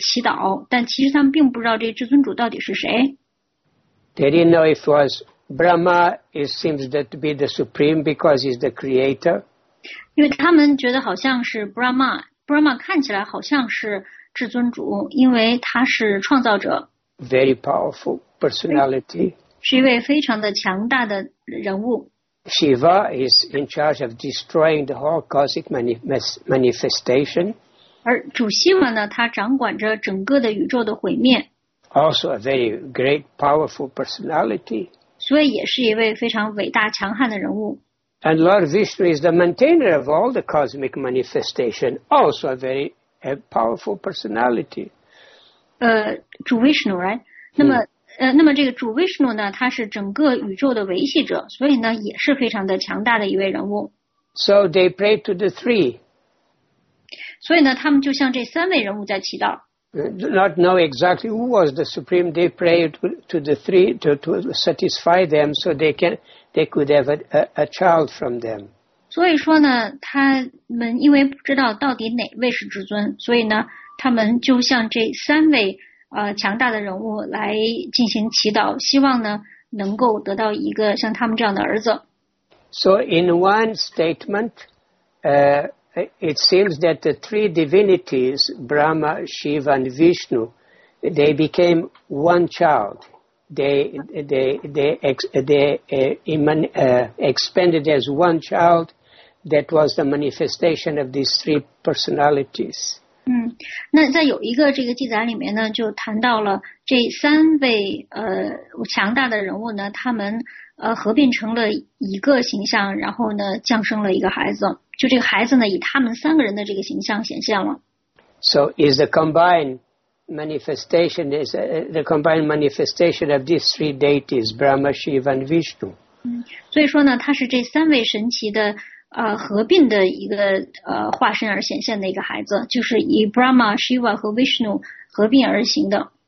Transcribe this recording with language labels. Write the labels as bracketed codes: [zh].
[zh] 但是有的地方的记载呢，是说这个Anatreya和Atri他们是做了多年的苦修，然后呢向至尊主去祈祷，但其实他们并不知道这至尊主到底是谁。 [en] They didn't know if it was Brahma. It seems that to be the Supreme because he's the Creator. [zh] 因为他们觉得好像是Brahma。Brahma 看起来好像是至尊主，因为他是创造者。Very [en] powerful personality. [zh] 是一位非常的强大的人物。Shiva [en] is in charge of destroying the whole cosmic manifestation. [zh] 而主希瓦呢，他掌管着整个的宇宙的毁灭。 [en] Also a very great powerful personality. [zh] 所以也是一位非常伟大强悍的人物。 [en] And Lord Vishnu is the maintainer of all the cosmic manifestation, also a very a powerful personality. 主 Vishnu, right? [zh] 那么这个主 Vishnu 呢，他是整个宇宙的维系者，所以呢也是非常的强大的一位人物。 [en] So they pray to the three. [zh] 所以呢，他们就向这三位人物在祈祷。 [en] Not know exactly who was the supreme, they prayed to the three to satisfy them so they could have a child from them. [zh] 所以说呢，他们因为不知道到底哪位是至尊，所以呢，他们就向这三位强大的人物来进行祈祷，希望呢能够得到一个像他们这样的儿子。 [en] So in one statement, it seems that the three divinities, Brahma, Shiva, and Vishnu, they became one child. They expanded as one child that was the manifestation of these three personalities. [zh] 那在有一个这个记载里面呢，就谈到了这三位强大的人物呢，他们合并成了一个形象，然后呢降生了一个孩子。就这个孩子呢，以他们三个人的这个形象显现了。 [en] So is the combined manifestation is the combined manifestation of these three deities, Brahma, Shiva, and Vishnu. [zh] 所以说呢，他是这三位神奇的合并的一个化身而显现的一个孩子，就是以 Brahma, Shiva 和 Vishnu 合并而行的。